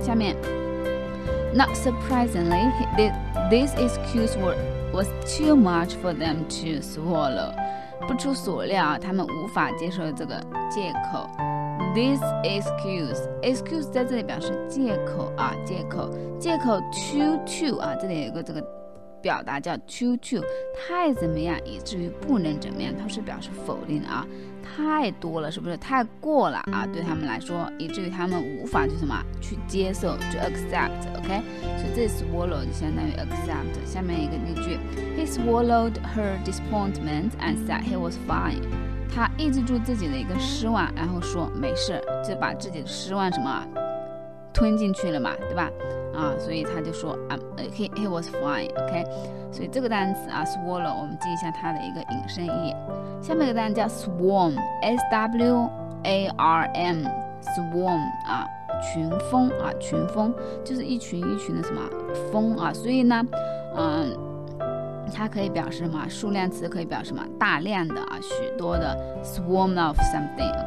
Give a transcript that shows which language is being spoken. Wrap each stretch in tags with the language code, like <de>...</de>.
<zh>下面</zh> <en>，Not surprisingly, this excuse was too much for them to swallow。</en> <zh>不出所料，他们无法接受这个借口。</zh> <en>This excuse</en> <zh>在这里表示借口啊，借口 too 啊，这里有一个这个。表达叫 too 太怎么样，以至于不能怎么样，它是表示否定的啊，太多了是不是？太过了啊，对他们来说，以至于他们无法去什么去接受，去 accept。 OK， 所以这 swallow 就相当于 accept。下面一个例句</zh> <en>，He swallowed her disappointment and said he was fine。</en> <zh>他抑制住自己的一个失望，然后说没事，就把自己的失望什么吞进去了嘛，对吧？啊，所以他就说</zh> <en>he was fine。</en> <zh>OK， 所以这个单词啊 swallow 我们记一下它的一个引申意。下面一个单词叫 swarm， S-W-A-R-M swarm 啊，群蜂啊，群蜂就是一群一群的什么蜂啊，所以呢它可以表示什么数量词，可以表示什么大量的啊，许多的</zh> <en>swarm of something。</en>